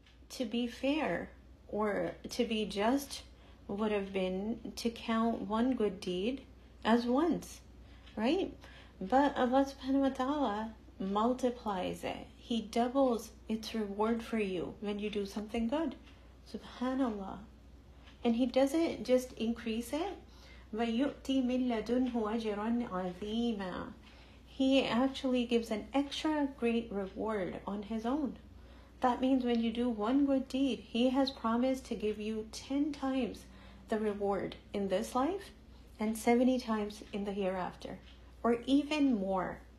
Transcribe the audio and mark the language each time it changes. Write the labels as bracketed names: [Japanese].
[English] To be fair or to be just would have been to count one good deed as once, right? But Allah subhanahu wa ta'ala multiplies it. He doubles its reward for you when you do something good. Subhanallah. And he doesn't just increase it. [Arabic] وَيُؤْتِي مِنْ لَدُنْهُ أَجْرًا عَظِيمًا. [English] He actually gives an extra great reward on his own. That means when you do one good deed, he has promised to give you 10 times the reward in this life and 70 times in the hereafter, or even more.